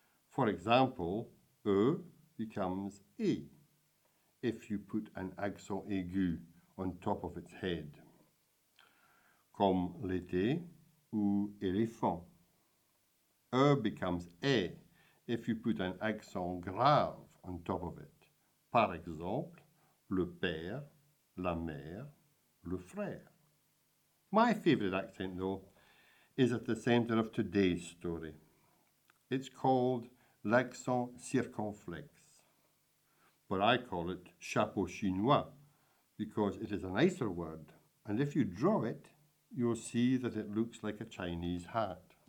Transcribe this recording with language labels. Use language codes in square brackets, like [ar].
[en] For example, E becomes E if you put an accent aigu on top of its head. [fr] Comme l'été ou éléphant. [en] E becomes E if you put an accent grave on top of it. [fr] Par exemple, le père, la mère, le frère. [en] My favourite accent, though, is at the centre of today's story. It's called l'accent circonflexe, but I call it chapeau chinois because it is a nicer word, and if you draw it, you'll see that it looks like a Chinese hat.